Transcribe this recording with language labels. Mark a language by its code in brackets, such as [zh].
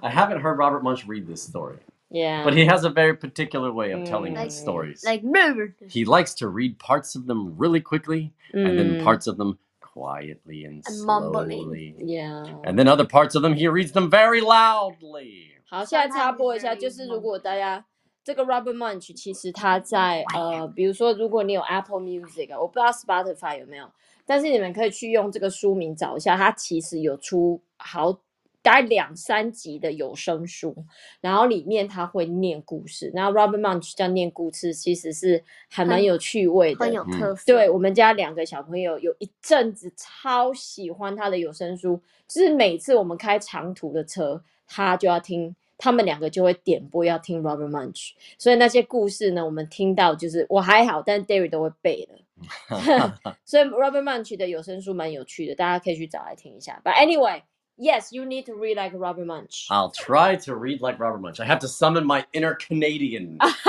[en] I haven't heard Robert Munch read this story. Yeah. But he has a very particular way of telling his stories. Like, murder. He likes to read parts of them really quickly, and then parts of them quietly and slowly. Mumbling. Yeah. And then other parts of them, he reads them very loudly. [zh] 好，现在插播一下，就是如果大家这个 Robert Munch 其实他在比如说如果你有 Apple Music 我不知道 Spotify 有没有但是你们可以去用这个书名找一下他其实有出好大概两三集的有声书，然后里面他会念故事，然后 Robin Munch 叫念故事，其实是还蛮有趣味的，很有特色。对，我们家两个小朋友有一阵子超喜欢他的有声书，就是每次我们开长途的车，他就要听，他们两个就会点播要听 Robin Munch， 所以那些故事呢，我们听到就是我还好，但 Derry 都会背了。所以 Robin Munch 的有声书蛮有趣的，大家可以去找来听一下。 [en] But anyway, yes, you need to read like Robin Munch. I'll try to read like Robin Munch. I have to summon my inner Canadian.